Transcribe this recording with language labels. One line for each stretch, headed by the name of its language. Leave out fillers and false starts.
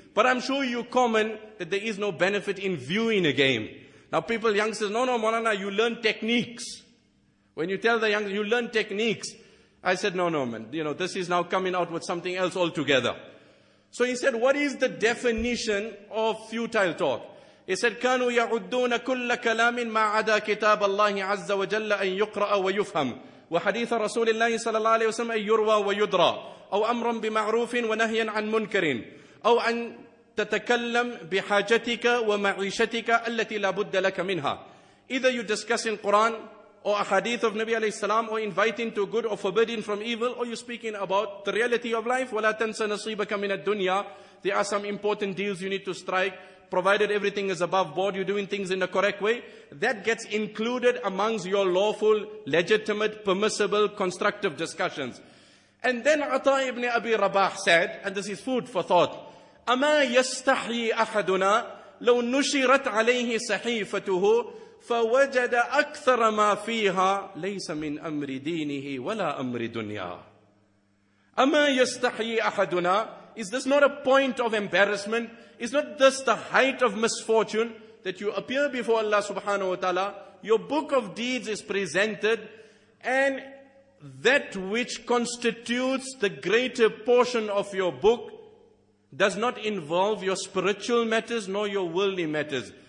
English: But I'm sure you comment that there is no benefit in viewing a game. Now people, youngsters, no, Maulana, you learn techniques. When you tell the youngsters, you learn techniques. I said, no, man, you know, this is now coming out with something else altogether. So he said, what is the definition of futile talk?
Arabic: He said, كانوا يعدون كل كلام ما عدا كتاب الله عز وجل أن يقرأ ويفهم وحديث رسول الله صلى الله عليه وسلم أن يروى ويدرى أو أمرا بمعروف ونهيا عن منكر أو أن تتكلم بحاجتك ومعيشتك التي لا بد لك منها.
English: Either you discuss in Quran or a hadith of Nabi alayhi salam or inviting to good or forbidding from evil or you're speaking about the reality of life.
Arabic: ولا تنسى نصيبك من الدنيا.
English: There are some important deals you need to strike. Provided everything is above board, you're doing things in the correct way, that gets included amongst your lawful, legitimate, permissible, constructive discussions. And then Ata ibn Abi Rabah said, and this is food for thought,
Arabic: أَمَا يَسْتَحْيِي أَحَدُنَا لَوْ نُشِرَتْ عَلَيْهِ صَحِيفَتُهُ فَوَجَدَ أَكْثَرَ مَا فِيهَا لَيْسَ مِنْ أَمْرِ دِينِهِ وَلَا أَمْرِ دُنْيَا أَمَا يَسْتَحْيِي أَحَدُنَا.
English: Is this not a point of embarrassment? Is not this the height of misfortune that you appear before Allah subhanahu wa ta'ala, your book of deeds is presented, and that which constitutes the greater portion of your book does not involve your spiritual matters nor your worldly matters.